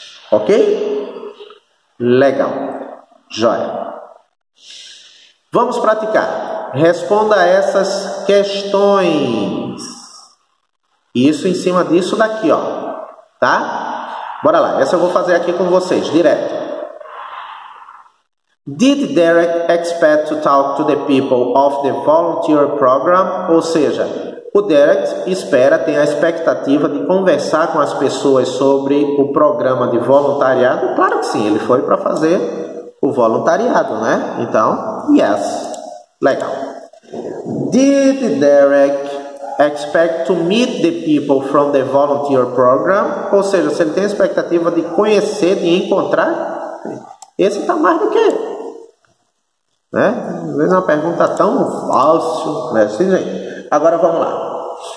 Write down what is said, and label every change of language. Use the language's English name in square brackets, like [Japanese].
[Portuguese] Ok? Legal. Joia. Vamos praticar. Responda essas questões. Isso em cima disso daqui, ó. Tá? Bora lá. Essa eu vou fazer aqui com vocês, direto. [English] Did Derek expect to talk to the people of the volunteer program? [Portuguese] Ou seja, o Derek espera, tem a expectativa de conversar com as pessoas sobre o programa de voluntariado? Claro que sim, ele foi para fazer o voluntariado, né? Então, yes. Legal. [English] Did Derek expect to meet the people from the volunteer program? [Portuguese] Ou seja, se ele tem a expectativa de conhecer, de encontrar, esse está mais do que... Né? Às vezes é uma pergunta tão fácil, né? Sim, gente. Agora vamos lá.